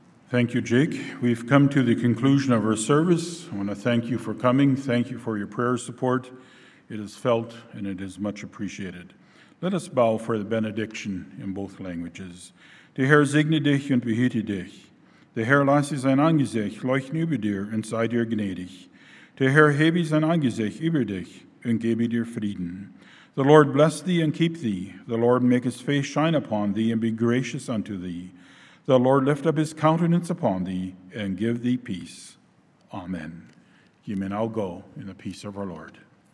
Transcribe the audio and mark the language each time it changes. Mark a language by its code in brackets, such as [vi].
[en] Thank you, Jake. We've come to the conclusion of our service. I want to thank you for coming. Thank you for your prayer support. It is felt and it is much appreciated. Let us bow for the benediction in both languages. [de] Der Herr segne dich und behüte dich. Der Herr lasse sein Angesicht leuchten über dir und sei dir gnädig. Der Herr hebe sein Angesicht über dich und gebe dir Frieden. [en] The Lord bless thee and keep thee. The Lord make his face shine upon thee and be gracious unto thee. The Lord lift up his countenance upon thee and give thee peace. Amen. You may now go in the peace of our Lord.